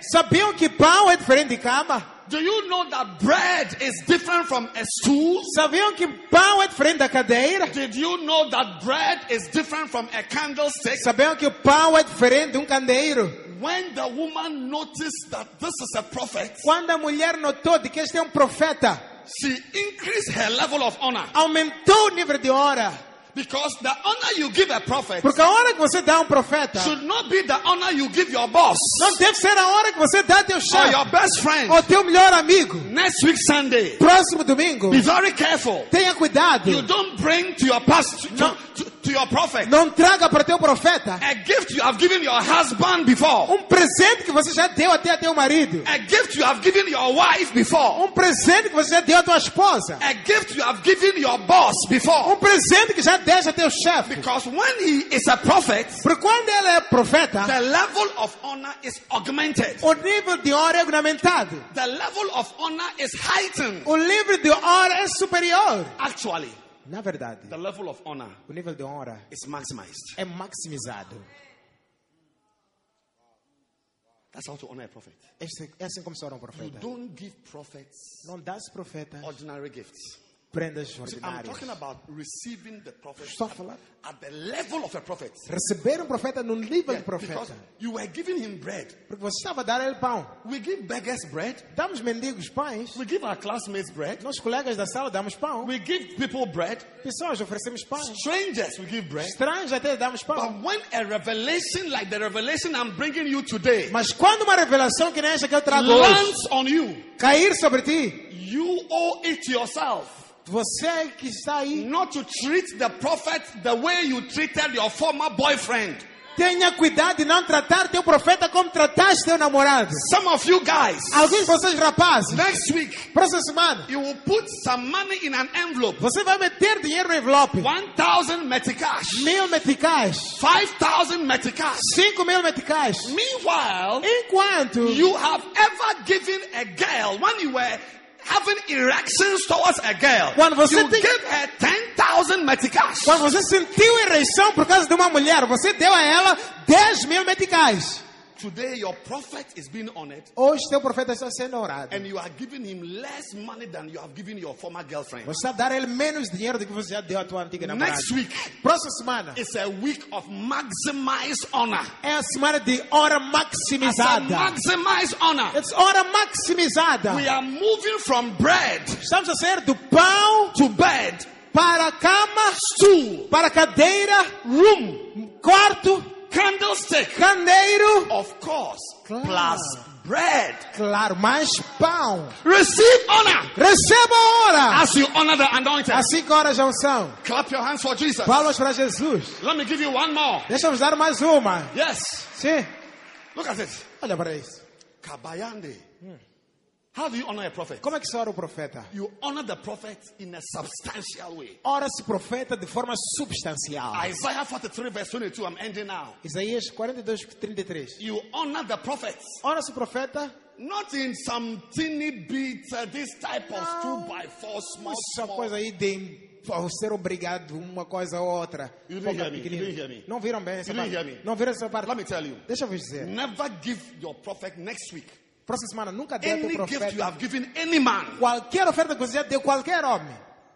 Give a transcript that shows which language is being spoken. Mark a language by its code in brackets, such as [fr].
[pt] Sabiam que pão é diferente de cama? [en] Do you know that bread is different from a stool? [pt] Sabiam que pão é diferente da cadeira? [en] Did you know that bread is different from a candlestick? [pt] Sabiam que pão é diferente de candeeiro? [en] When the woman noticed that this is a prophet, [pt] quando a mulher notou de que este é profeta, [en] she increased her level of honor. [pt] Aumentou o nível de honra. [en] Because the honor you give a prophet, [pt] porque a honra que você dá profeta, [en] should not be the honor you give your boss. [pt] Não deve ser a honra que você dá teu chefe, [en] or your best friend, [pt] ou teu melhor amigo. [en] Next week Sunday, [pt] próximo domingo, [en] be very careful. [pt] Tenha cuidado. [en] You don't bring to your pastor. To your prophet. [pt] Não traga para teu profeta. [en] A gift you have given your husband before. [pt] Presente que você já deu até a teu marido. [en] A gift you have given your wife before. [pt] Presente que você já deu à tua esposa. [en] A gift you have given your boss before. [pt] Presente que já deu a teu chefe. [en] Because when he is a prophet, [pt] porque quando ele é profeta, [en] the level of honor is augmented. [pt] O nível de honra é aumentado. [en] The level of honor is heightened. [pt] O nível de honra é superior. [en] Actually, [pt] na verdade, [en] the level of honor, [pt] o nível de honra, [en] is maximized. [pt] É maximizado. [en] That's how to honor a prophet. [pt] É assim como se honra um profeta. [en] You don't give prophets [pt] não dás profetas [en] ordinary gifts. [pt] prendas ordinárias. [en] I'm talking about receiving the prophet at the level of a prophet. [pt] Receber profeta num nível de profeta. [en] Because you were giving him bread. [pt] Porque você estava a dar ele pão. [en] We give beggars bread. [pt] Damos mendigos pães. [en] We give our classmates bread. [pt] Nossos colegas da sala damos pão. [en] We give people bread. [pt] Pessoas oferecemos pão. [en] Strangers we give bread. [pt] Estranhos até damos pão. [en] But when a revelation like the revelation I'm bringing you today. [pt] Mas quando uma revelação que nem essa que eu trago hoje. [en] Lands on you. [pt] Cair sobre ti. [en] You owe it to yourself. [pt] Você que está aí. [en] Not to treat the prophet the way you treated your former boyfriend. [pt] Tenha cuidado de não tratar teu profeta como trataste teu namorado. [en] Some of you guys. [pt] Alguns de vocês rapazes. [en] Next week. [pt] Próxima semana. [en] You will put some money in an envelope. [pt] Você vai meter dinheiro no envelope. [en] 1,000 meticais. [pt] 1,000 meticais. [en] 5,000 meticais. [pt] 5,000 meticais. [en] Meanwhile. [pt] Enquanto. [en] You have ever given a girl when you were having erections towards a girl. [pt] Quando você [en] you [pt] tem... [en] give her 10,000 meticais. [pt] Quando você sentiu ereção por causa de uma mulher, você deu a ela 10,000 meticais. [en] Today your prophet is being honored. [pt] Hoje teu profeta está sendo honrado. [en] And you are giving him less money than you have given your former girlfriend. [pt] Você está dando ele menos dinheiro do que você já deu à tua antiga namorada. [en] Next week. [pt] Próxima semana. [en] It's a week of maximized honor. [pt] É a semana de honra maximizada. [en] It's a maximized honor. It's [pt] honra maximizada. [en] We are moving from bread. [pt] Estamos a sair do pão [en] to bed. [pt] Para cama, [en] stool. [pt] Para cadeira, [en] room. [pt] Quarto. [en] Candlestick. [pt] Candeiro. [en] Of course. [pt] Claro. [en] Plus bread. [pt] Claro, mais pão. [en] Receive honor. [pt] Receba honra. [en] As you honor the anointed. [pt] Assim que oras a unção. [en] Clap your hands for Jesus. [pt] Palmas para Jesus. [en] Let me give you one more. [pt] Deixa-me dar mais uma. [en] Yes. [pt] Sim. [en] Look at it. [pt] Olha para isso. [en] Kabayande. How do you honor a prophet? [pt] Como é que se ora o profeta? [en] You honor the prophet in a substantial way. [pt] Ora-se o profeta de forma substancial. [en] Isaiah 43 verse 22. I'm ending now. [pt] Isaías 42:33. [en] You honor the prophet. [pt] Ora-se o profeta. [en] Not in some teeny bit, this type of 2x4 small. [pt] Essa coisa aí de ser obrigado uma coisa ou outra. [en] You didn't hear me. You didn't hear me. [pt] Não viram bem essa [en] you Hear me. [pt] Não viram essa parte. [en] Let me tell you. [pt] Deixa-vos dizer. [en] Never give your prophet next week. [pt] Próxima semana, nunca dê [en] any [pt] teu profeta [en] gift you have given any man. [pt] Qualquer oferta que você já deu qualquer homem.